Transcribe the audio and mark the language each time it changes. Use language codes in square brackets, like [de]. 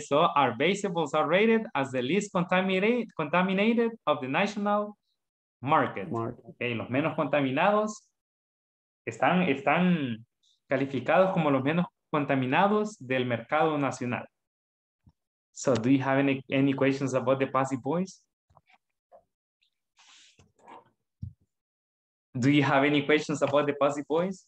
[en] So our vegetables are rated as the least contaminated of the national market. [es] Okay, los menos contaminados. Están calificados como los menos contaminados del mercado nacional. [en] So, do you have any questions about the passive voice? Do you have any questions about the passive voice?